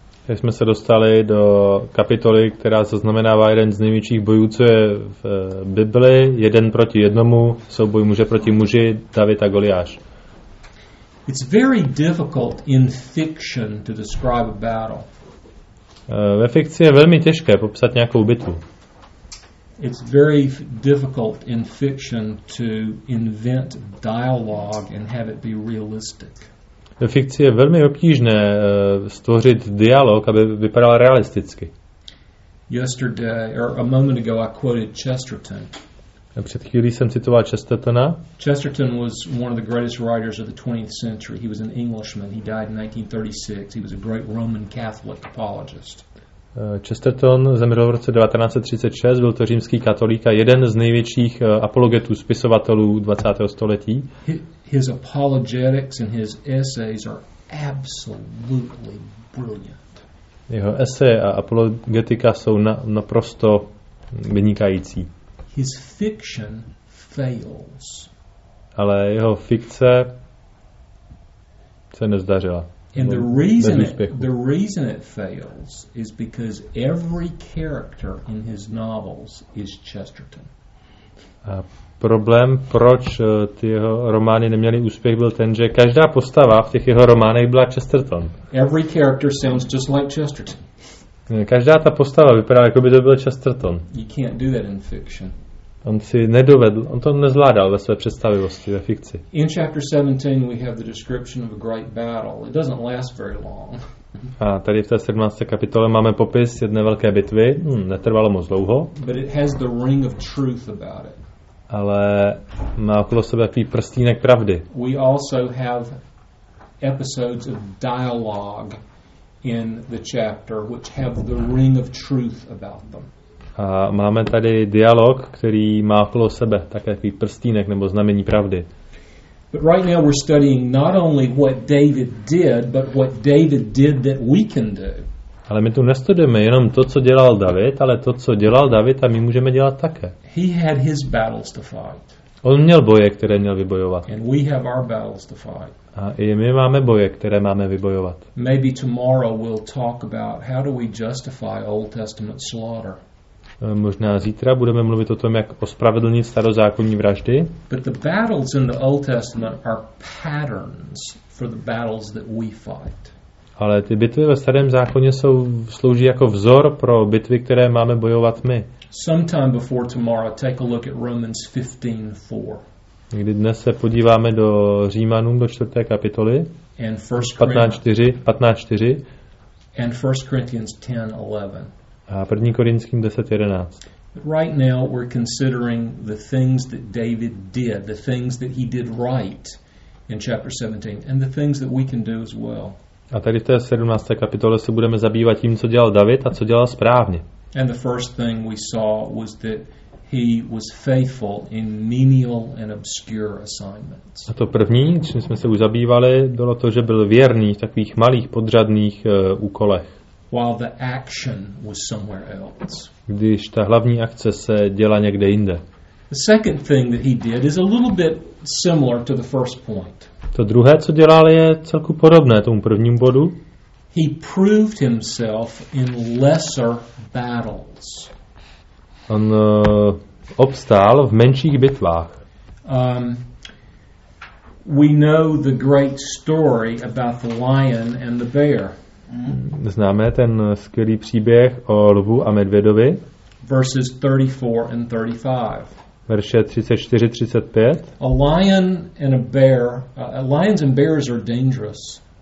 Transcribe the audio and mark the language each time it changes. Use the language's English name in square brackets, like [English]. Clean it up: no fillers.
[Czech] Teď jsme se dostali do kapitoly, která zaznamenává jeden z největších bojů, co je v Bibli, jeden proti jednomu, souboj muže proti muži, David a Goliáš. [English] It's very difficult in fiction to describe a battle. [Czech] Ve fikci je velmi těžké popsat nějakou bitvu. [English] It's very difficult in fiction to invent dialogue and have it be realistic. [Czech] Ve fikci je velmi obtížné stvořit dialog, aby vypadal realisticky. [English] Yesterday or a moment ago I quoted Chesterton. [Czech] Před chvílí jsem citoval Chestertona. [English] Chesterton was one of the greatest writers of the 20th century. He was an Englishman. He died in 1936. He was a great Roman Catholic apologist. [Czech] Chesterton zemřel v roce 1936, byl to římský katolík a jeden z největších apologetů spisovatelů 20. století. [English] His apologetics and his essays are absolutely brilliant. [Czech] Jeho eseje a apologetika jsou naprosto vynikající. [English] His fiction fails. [Czech] Ale jeho fikce se nezdařila. [English] And the reason it fails is because every character in his novels is Chesterton. [Czech] A problém, proč ty jeho romány neměly úspěch, byl ten, že každá postava v těch jeho románech byla Chesterton. [English] Every character sounds just like Chesterton. [Czech] Každá ta postava vypadá, jako by to byl Chesterton. [English] You can't do that in fiction. [Czech] On si nedovedl, on to nezvládal ve své představivosti, ve fikci. [English] In chapter 17 we have the description of a great battle. It doesn't last very long. [Czech] A tady v té 17. kapitole máme popis jedné velké bitvy. Netrvalo moc dlouho. [English] But it has the ring of truth about it. [Czech] Ale má okolo sebe takový prstínek pravdy. [English] We also have episodes of dialogue in the chapter which have the ring of truth about them. [Czech] A máme tady dialog, který má okolo sebe také takový prstínek nebo znamení pravdy. [English] But right now we're studying not only what David did, but what David did that we can do. [Czech] Ale my tu nestudujeme jenom to, co dělal David, ale to, co dělal David, a my můžeme dělat také. [English] He had his battles to fight. [Czech] On měl boje, které měl vybojovat. [English] And we have our battles to fight. [Czech] A i my máme boje, které máme vybojovat. [English] Maybe tomorrow we'll talk about how do we justify Old Testament slaughter. [Czech] Možná zítra budeme mluvit o tom, jak ospravedlnit starozákonní vraždy. [English] But the battles in the Old Testament are patterns for the battles that we fight. [Czech] Ale ty bitvy ve starém zákoně jsou slouží jako vzor pro bitvy, které máme bojovat my. [English] Sometime before tomorrow take a look at Romans 15:4. [Czech] Někdy dnes se podíváme do Římanům do 4. kapitoly. [English] And 15:4. And 1 Corinthians 10:11. [Czech] A 1. Korinským 10:11. [English] Right now we're considering the things that David did, the things that he did right in chapter 17 and the things that we can do as well. [Czech] A tady v té 17. kapitole se budeme zabývat tím, co dělal David a co dělal správně. [English] And the first thing we saw was that he was faithful in menial and obscure assignments. [Czech] A to první, čím jsme se už zabývali, bylo to, že byl věrný v takových malých podřadných úkolech. [English] While the action was somewhere else. [Czech] Když ta hlavní akce se dělá někde jinde. [English] The second thing that he did is a little bit similar to the first point. [Czech] To druhé, co dělal, je celku podobné tomu prvnímu bodu. [English] He proved himself in lesser battles. [Czech] On obstál v menších bitvách. [English] We know the great story about the lion and the bear. [Czech] Známe ten skvělý příběh o lvu a medvědovi. [English] Verses 34 and 35. [Czech] Verše 34-35. [English] A lion and a bear, lions and bears are dangerous.